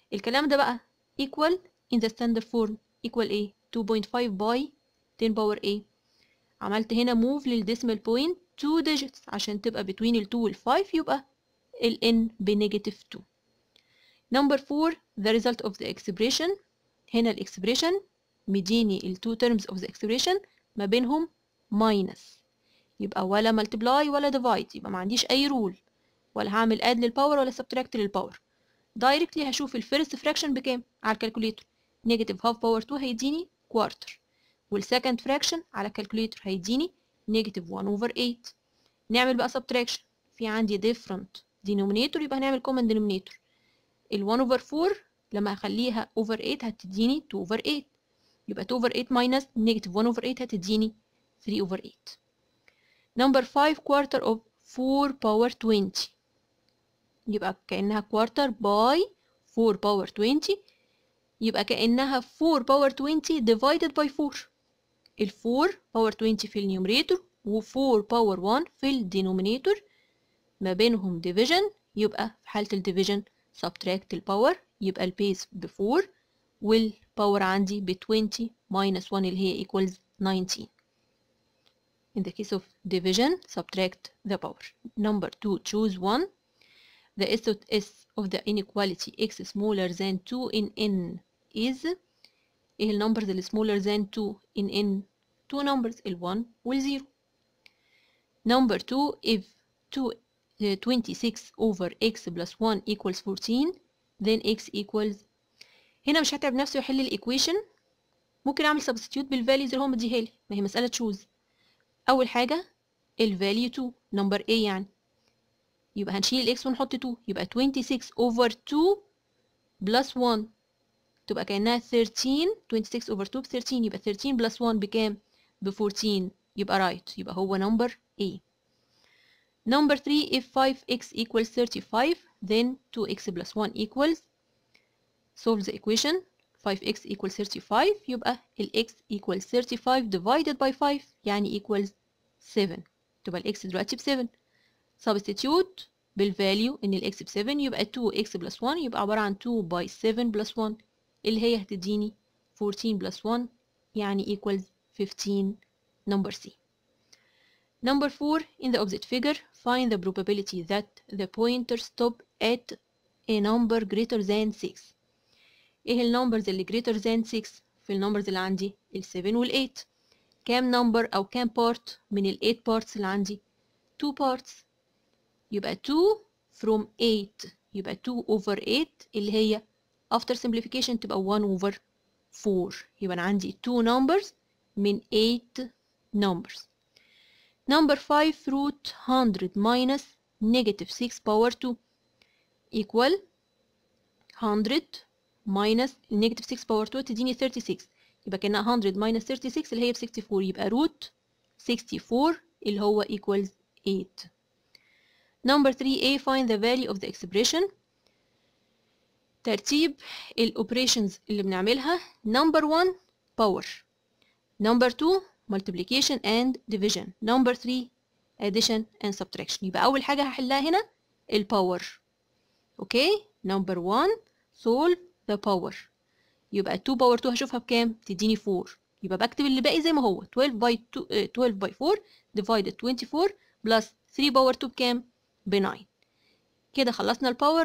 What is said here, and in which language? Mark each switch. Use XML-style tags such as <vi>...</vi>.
<ar>الكلام ده بقى</ar> <en>equal in the standard form equal a 2.5 by 10 power a.</en> <ar>عملت هنا move للديسمال point 2 digits عشان تبقى between ال 2 وال 5، يبقى ال n بنيجاتيف 2.</ar> <en>Number 4, the result of the expression.</en> <ar>هنا الاكسبريشن مديني ال 2 terms of the expression ما بينهم minus، يبقى ولا multiply ولا divide، يبقى ما عنديش اي rule، ولا هعمل add للpower ولا subtract للpower، directly هشوف ال first fraction بكام على الكالكوليتر، negative half power 2 هيديني quarter، وال second fraction على الكالكوليتر هيديني negative 1 over 8. نعمل بقى subtraction، في عندي different denominator يبقى هنعمل common denominator، ال 1 over 4 لما هخليها over 8 هتديني 2 over 8، يبقى 2 over 8 minus negative 1 over 8 هتديني 3 over 8.</ar> <en>Number 5, quarter of 4 power 20.</en> <ar>يبقى كأنها</ar> <en>quarter by 4 power 20. يبقى كأنها 4 power 20 divided by 4.</en> <ar>ال 4 power 20 في النيوميريتور و 4 power 1 في الدينوميناتور ما بينهم division، يبقى في حالة الديفيجن subtract الباور، يبقى البيس ب 4 والباور عندي ب 20 minus 1 اللي هي equals 19.</ar> <en>In the case of division, subtract the power. Number 2, choose 1. The SOS of the inequality x smaller than 2 in n is. إيه numbers اللي smaller than 2 in n? 2 numbers, ال 1 وال 0. Number 2, if 26 over x plus 1 equals 14, then x equals.</en> <ar>هنا مش هتعب نفسي وحل ال equation. ممكن أعمل substitute بالvalues اللي هم مديها لي. ما هي مسألة choose. أول حاجة ال value 2 number A، يعني يبقى هنشيل ال x ونحط 2، يبقى 26 over 2 plus 1 تبقى كأنها 13. 26 over 2 ب 13، يبقى 13 plus 1 بكام؟ ب 14، يبقى right، يبقى هو number A.</ar> <en>Number 3, if 5x equals 35, then 2x plus 1 equals. Solve the equation 5x equals 35، يبقى ال x equals 35 divided by 5 يعني equals 7،</en> <ar>تبقى ال x دلوقتي ب 7. Substitute بالvalue ان ال x ب 7، يبقى 2x plus 1 يبقى عبارة عن 2 by 7 plus 1 اللي هي هتديني 14 plus 1 يعني equals 15.</ar> <en>Number C. Number 4, in the opposite figure, find the probability that the pointer stop at a number greater than 6.</en> <ar>ايه ال numbers اللي greater than 6؟ في ال numbers اللي عندي ال 7 وال 8. كام number او كام part من ال 8 parts اللي عندي؟ 2 parts، يبقى 2 from 8، يبقى 2 over 8 اللي هي</ar> <en>after simplification</en> <ar>تبقى 1 over 4، يبقى انا عندي 2 numbers من 8 numbers.</ar> <en>Number 5, root 100 minus negative 6 power 2 equal 100 minus negative 6 power 2 تديني 36، يبقى كأنها 100 minus 36 اللي هي 64، يبقى root 64 اللي هو equals 8. Number 3, A, find the value of the expression.</en> <ar>ترتيب ال operations اللي بنعملها: Number 1, power.</ar> <en>Number 2, multiplication and division. Number 3, addition and subtraction.</en> <ar>يبقى أول حاجة هحلها هنا الباور. Okay.</ar> <en>Number 1, solve the power.</en> <ar>يبقى 2 باور 2 هشوفها بكام؟ تديني 4. يبقى بكتب اللي باقي زي ما هو 12 باي 2 12 باي 4 ديفايد 24 بلس 3 باور 2 بكام؟ ب 9. كده خلصنا الباور.</ar>